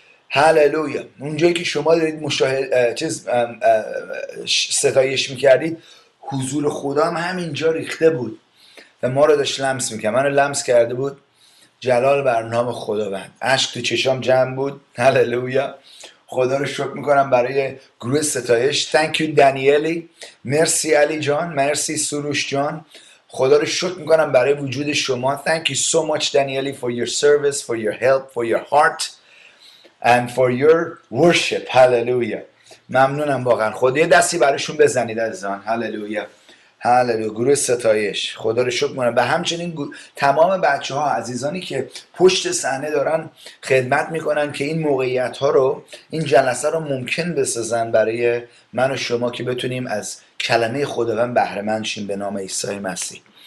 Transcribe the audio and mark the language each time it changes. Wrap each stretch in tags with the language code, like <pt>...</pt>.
<fa>هللویا، اونجایی که شما دارید چیز ستایش میکردید، حضور خدا هم همینجا ریخته بود و ما رو داشت لمس میکرد، من رو لمس کرده بود. جلال بر نام خداوند. اشک تو چشام جمع بود. هللویا، خدا رو شکر میکنم برای گروه ستایش.</fa> <en>Thank you</en> <fa>دانیلی، مرسی علی جان، مرسی سروش جان، خدا رو شکر میکنم برای وجود شما.</fa> <en>Thank you so much دانیلی for your service, for your help, for your heart and for your worship.</en> <fa>هللویا، ممنونم واقعا. خدا یه دستی برایشون بزنید عزیزان. هللویا، هللویا. گروه ستایش، خدا رو شکر می‌کنم. و همچنین تمام بچه‌ها، عزیزانی که پشت صحنه دارن خدمت می‌کنن که این موقعیت‌ها رو، این جلسه رو ممکن بسازن برای من و شما که بتونیم از کلمه خداوند بهره مند شیم به نام عیسی مسیح.</fa>